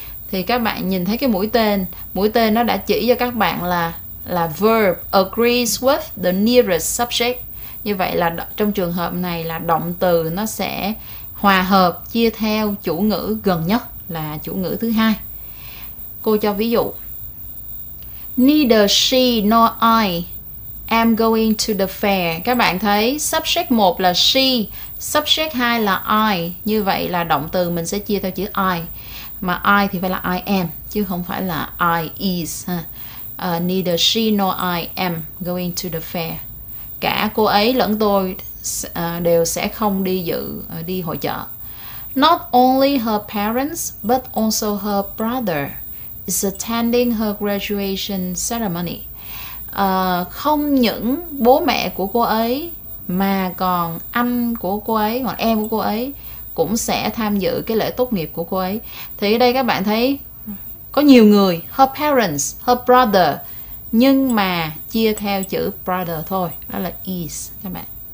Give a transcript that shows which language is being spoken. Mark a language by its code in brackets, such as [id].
[vi] Thì các bạn nhìn thấy cái mũi tên nó đã chỉ cho các bạn là [en] verb agrees with the nearest subject. [vi] Như vậy là trong trường hợp này là động từ nó sẽ hòa hợp chia theo chủ ngữ gần nhất là chủ ngữ thứ hai. Cô cho ví dụ. [en] Neither she nor I am going to the fair. [vi] Các bạn thấy subject 1 là she, subject 2 là I. Như vậy là động từ mình sẽ chia theo chữ I. Mà I thì phải là I am, chứ không phải là I is. [en] Neither she nor I am going to the fair. [vi] Cả cô ấy lẫn tôi đều sẽ không đi hội chợ. [en] Not only her parents but also her brother is attending her graduation ceremony. [vi] Không những bố mẹ của cô ấy mà còn anh của cô ấy, còn em của cô ấy cũng sẽ tham dự cái lễ tốt nghiệp của cô ấy. Thì ở đây các bạn thấy có nhiều người, her parents, her brother, nhưng mà chia theo chữ brother thôi, đó là is các bạn.